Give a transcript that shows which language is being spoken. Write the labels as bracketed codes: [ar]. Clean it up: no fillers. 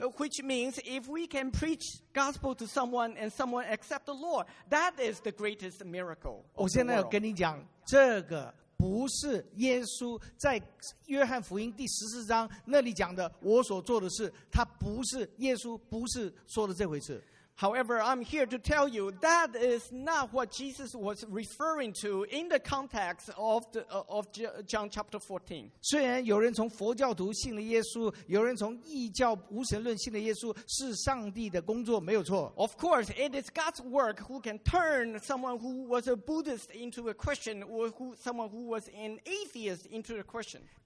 [en] Which means if we can preach gospel to someone and someone accept the Lord, that is the greatest miracle. [zh] 我现在要跟你讲，这个不是耶稣在约翰福音第十四章那里讲的我所做的事，他不是耶稣不是说的这回事。 [en] However, I'm here to tell you that is not what Jesus was referring to in the context of the of John chapter 14. [zh] 虽然有人从佛教徒信了耶稣，有人从异教无神论信了耶稣，是上帝的工作，没有错。 [en] Of course, it is God's work who can turn someone who was a Buddhist into a Christian, or who someone who was an atheist into a Christian.